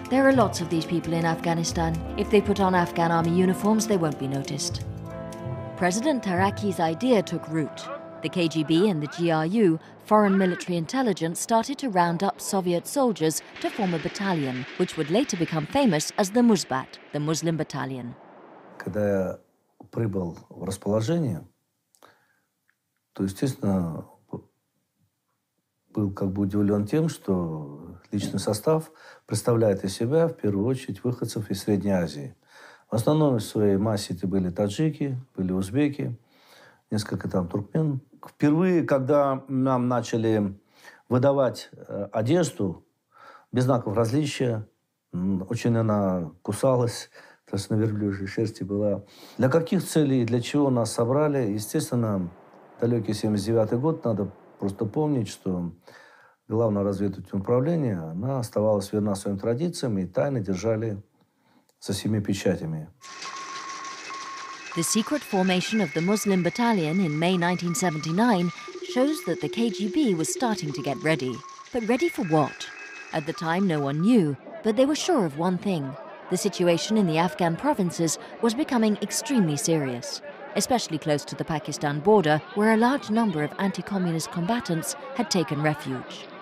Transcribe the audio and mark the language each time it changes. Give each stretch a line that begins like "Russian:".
English: There are lots of these people in Afghanistan. If they put on Afghan army uniforms, they won't be noticed. President Taraki's idea took root. The KGB and the GRU, Foreign Military Intelligence, started to round up Soviet soldiers to form a battalion, which would later become famous as the Muzbat, the Muslim Battalion.
Russian: Когда я прибыл в расположение, то, естественно, был как бы удивлен тем, что личный состав представляет из себя, в первую очередь, выходцев из Средней Азии. В основном в своей массе это были таджики, были узбеки, несколько там туркмен. Впервые, когда нам начали выдавать одежду без знаков различия, очень она кусалась, то есть на верблюжьей шерсти была. Для каких целей и для чего нас собрали? Естественно, далекий 79-й год, надо просто помнить, что главное разведывательное управление, она оставалась верна своим традициям и тайно держали со всеми печатями.
English: The secret formation of the Muslim Battalion in May 1979 shows that the KGB was starting to get ready. But ready for what? At the time, no one knew, but they were sure of one thing. The situation in the Afghan provinces was becoming extremely serious, especially close to the Pakistan border, where a large number of anti-communist combatants had taken refuge.